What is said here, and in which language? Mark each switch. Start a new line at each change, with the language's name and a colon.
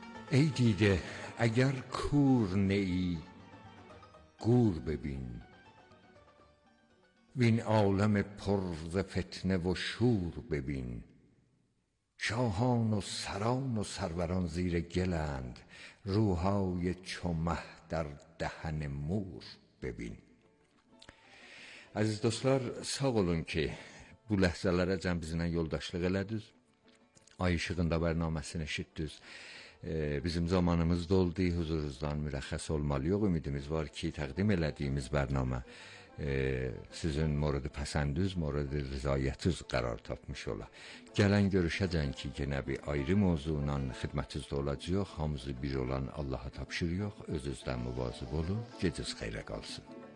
Persian: ای دیده اگر کور نی گور ببین وین عالم پر ز فتنه و شور ببین شاهان و سران و سروران زیر گلند روحای چمه در دهن مور ببین
Azerbaijani: Əziz dostlar, sağ olun ki, bu ləhzələrə cəm bizimlə yoldaşlıq elədiniz. Ay işığında bərnaməsini eşitdiniz. Bizim zamanımız doldu, huzurunuzdan mürəxxəs olmalıyıq. Ümidimiz var ki, təqdim elədiyimiz bərnamə sizin moradı pəsəndiniz, moradı rızayətiniz qərar tapmış ola. Gələn görüşəcən ki, yenə bir ayrı mövzunan xidmətinizdə olacaq. Hamızı bir olan Allaha tapşırıyıq. Öz-özdən müvazib olun, geciz xeyrə qalsın.